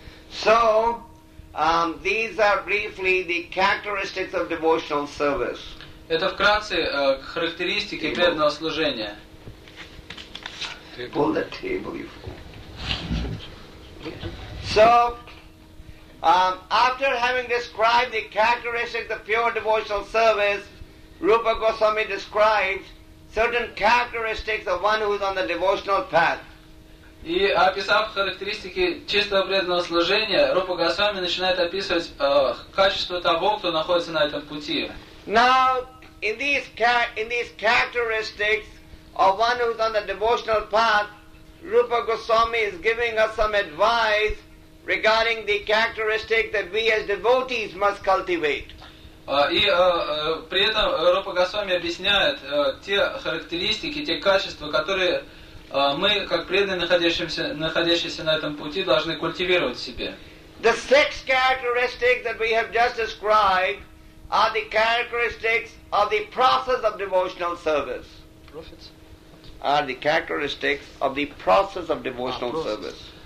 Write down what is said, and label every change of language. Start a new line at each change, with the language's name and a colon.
English: So, these are briefly the characteristics of devotional service.
Russian: Это вкратце характеристики table. Преданного служения.
English: Pull the table, you fool. So, after having described the characteristics of pure devotional service, Rupa Goswami describes certain characteristics of one who is on the devotional path.
Russian: И описав характеристики чистого преданного служения, Рупа Госвами начинает описывать качество того, кто находится на этом пути.
English: Now, in these characteristics of one who is on the devotional path, Rupa Goswami is giving us some advice regarding the characteristics that we as devotees must cultivate.
Russian: При этом Рупа Госвами объясняет те характеристики, те качества, которые мы, как преданные, находящиеся на этом пути, должны культивировать в себе.
English: The six characteristics that we have just described are the characteristics of the process of devotional service. Are the characteristics of the process of devotional service.